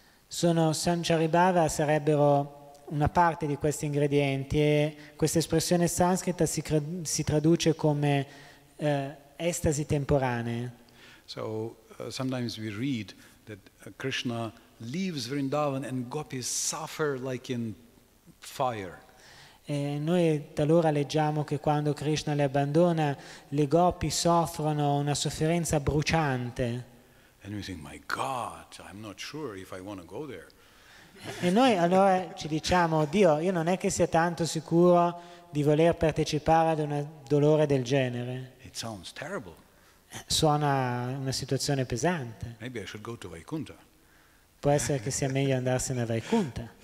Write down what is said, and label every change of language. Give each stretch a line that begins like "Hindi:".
Italian: Sono sanchari bhava sarebbero una parte di questi ingredienti e questa espressione sanscrita si traduce come estasi temporanee.
English: So sometimes we read that Krishna leaves Vrindavan and gopis suffer like in fire.
Italian: E noi talora leggiamo che quando Krishna le abbandona le gopi soffrono una sofferenza bruciante.
English: And we think, my God, I'm not sure if I want to go there.
Italian: E noi allora ci diciamo, Dio, io non è che sia tanto sicuro di voler partecipare ad un dolore del genere.
English: It sounds terrible.
Italian: Suona una situazione pesante.
English: Maybe I should go to Vaikuntha.
Italian: Può essere che sia meglio andarsene a Vaikuntha.